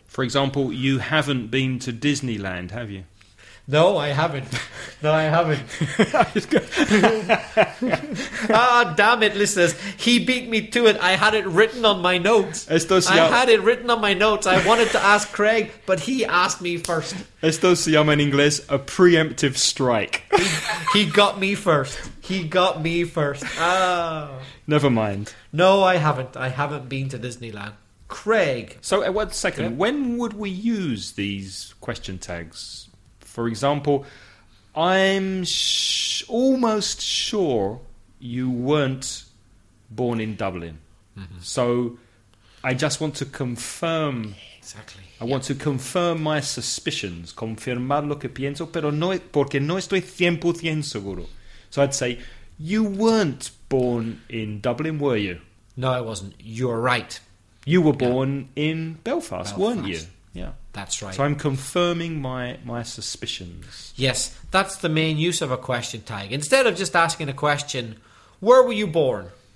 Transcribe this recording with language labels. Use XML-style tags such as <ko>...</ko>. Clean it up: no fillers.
<en>For example, you haven't been to Disneyland, have you? No, I haven't. No, I haven't. Ah, damn it, listeners. He beat me to it. I had it written on my notes.</en> <es>Esto se</es> <en>I had it written on my notes. I wanted to ask Craig, but he asked me first.</en> <es>Esto se llama en inglés</es> <en>a preemptive strike. He got me first. He got me first. Ah. Never mind. No, I haven't. I haven't been to Disneyland. Craig. So, one second. Yeah. When would we use these question tags? For example, I'm almost sure you weren't born in Dublin. Mm-hmm. So I just want to confirm. Exactly. I want to confirm my suspicions.</en> <es>Confirmar lo que pienso, pero no, porque no estoy 100% seguro.</es> <en>So I'd say, you weren't born in Dublin, were you? No, I wasn't. You're right. You were born in Belfast, weren't you? Yeah. That's right. So I'm confirming my suspicions. Yes, that's the main use of a question tag. Instead of just asking a question, where were you born?</en>